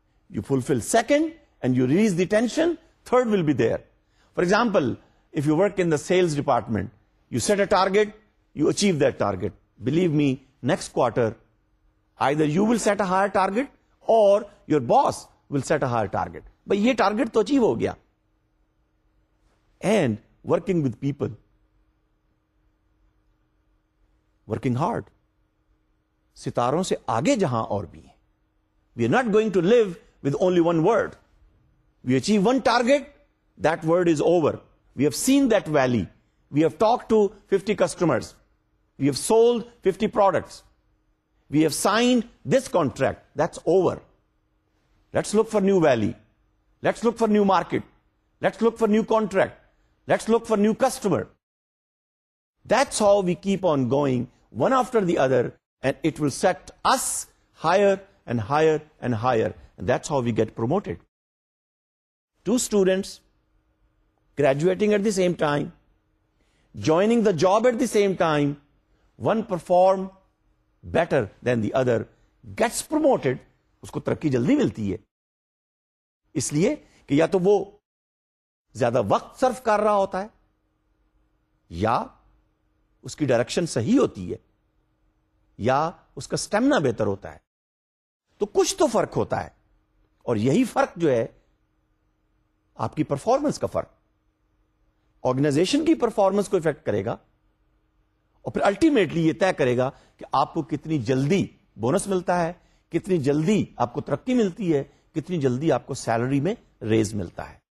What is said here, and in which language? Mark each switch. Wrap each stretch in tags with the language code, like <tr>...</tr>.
<en>You fulfill second and you release the tension, third will be there. For example, if you work in the sales department, you set a target, you achieve that target. Believe me, next quarter, either you will set a higher target or your boss will set a higher target.</en> <ur>بھائی یہ target تو achieve ہو گیا.</ur> <en>and working with people, working hard,</en> <ur>ستاروں سے آگے جہاں اور بھی ہیں.</ur> <en>We are not going to live with only one world. We achieve one target, that world is over. We have seen that valley. We have talk to 50 customers. We have sold 50 products. We have signed this contract. That's over. Let's look for new valley. Let's look for new market. Let's look for new contract. Let's look for new customer. That's how we keep on going one after the other, and it will set us higher and higher and higher. And that's how we get promoted. Two students graduating at the same time, joining the job at the same time, one perform better than the other, gets promoted,</en> <ur>اس کو ترقی جلدی ملتی ہے. اس لیے کہ یا تو وہ زیادہ وقت صرف کر رہا ہوتا ہے یا اس کی ڈائریکشن صحیح ہوتی ہے یا اس کا اسٹیمنا بہتر ہوتا ہے. تو کچھ تو فرق ہوتا ہے, اور یہی فرق جو ہے آپ کی پرفارمنس کا فرق, آرگنائزیشن کی پرفارمنس کو افیکٹ کرے گا, اور پھر الٹیمیٹلی یہ طے کرے گا کہ آپ کو کتنی جلدی بونس ملتا ہے, کتنی جلدی آپ کو ترقی ملتی ہے, کتنی جلدی آپ کو سیلری میں ریز ملتا ہے.</ur>